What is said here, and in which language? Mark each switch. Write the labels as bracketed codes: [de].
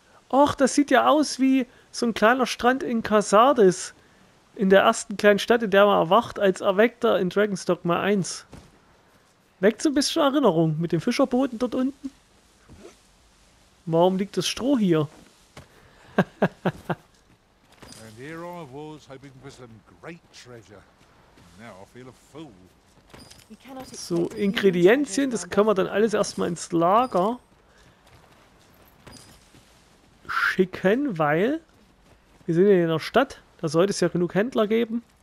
[de] Och, das sieht ja aus wie so ein kleiner Strand in Khazardis. In der ersten kleinen Stadt, in der man erwacht als Erweckter in Dragon's Dogma 1. Weckt so ein bisschen Erinnerung mit den Fischerbooten dort unten. Warum liegt das Stroh hier? [en] And here I was hoping for some great treasure. Now I feel a fool. [de] So, Ingredienzien, das können wir dann alles erstmal ins Lager schicken, weil wir sind ja in der Stadt, da sollte es ja genug Händler geben.